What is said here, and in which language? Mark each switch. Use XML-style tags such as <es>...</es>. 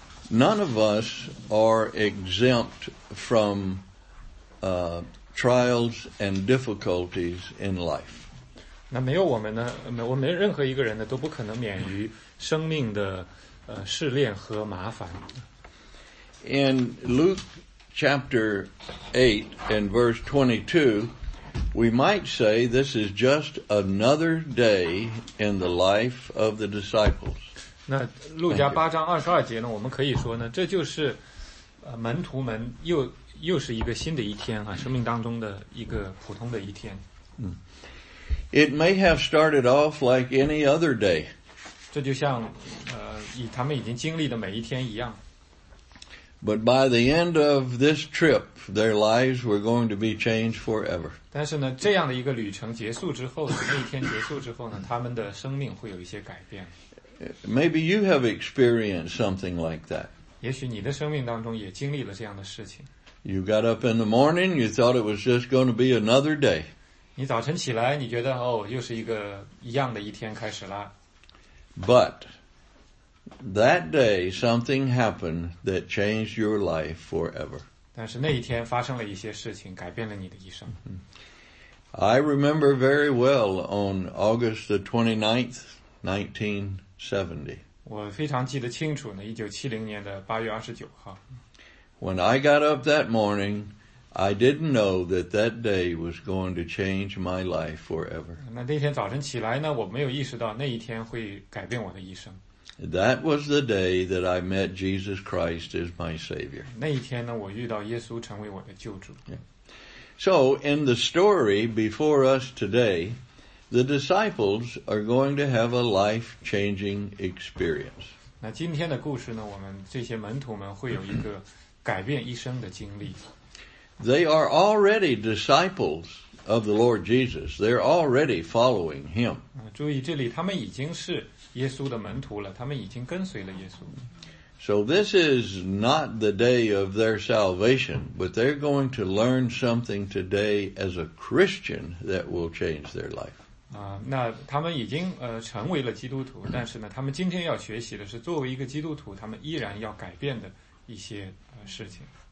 <en>None of us are exempt from trials and difficulties in life.</en> <zh>那没有我们呢？没，我们任何一个人呢都不可能免于生命的试炼和麻烦。</zh> <en>In Luke chapter 8 and verse 22, we might say this is just another day in the life of the disciples.</en> <zh>那路加八章二十二节呢？我们可以说呢，这就是门徒们又是一个新的一天啊，生命当中的一个普通的一天。</zh> <en>It may have started off like any other day.</en> <zh>这就像以他们已经经历的每一天一样。</zh> <en>But by the end of this trip, their lives were going to be changed forever.</en> <zh>但是呢，这样的一个旅程结束之后，那一天结束之后呢，他们的生命会有一些改变。</zh> <en>Maybe you have experienced something like that.</en> <zh>也许你的生命当中也经历了这样的事情。</zh> <en>You got up in the morning, you thought it was just going to be another day.</en> <zh>你早晨起来，你觉得哦，又是一个一样的一天开始了。</zh> <en>But that day, something happened that changed your life forever.</en> <zh>但是那一天发生了一些事情，改变了你的一生。</zh> <en>I remember very well on August the 29th, 1970.</en> <zh>我非常记得清楚呢，1970年的8月29号。</zh> <en>When I got up that morning, I didn't know that that day was going to change my life forever.</en> <zh>那天早晨起来呢，我没有意识到那一天会改变我的一生。</zh> <en>That was the day that I met Jesus Christ as my Savior.</en> <zh>那一天呢，我遇到耶稣成为我的救主。</zh> <en>So, in the story before us today, the disciples are going to have a life-changing experience.</en> <zh>那今天的故事呢，我们这些门徒们会有一个改变一生的经历。</zh> <en>They are already disciples of the Lord Jesus. They're already following Him.</en> <zh>注意这里，他们已经是耶稣的门徒了，他们已经跟随了耶稣。</zh> <en>So this is not the day of their salvation, but they're going to learn something today as a Christian that will change their life.</en> <zh>那他们已经成为了基督徒，但是呢，他们今天要学习的是作为一个基督徒，他们依然要改变的一些事情。</zh>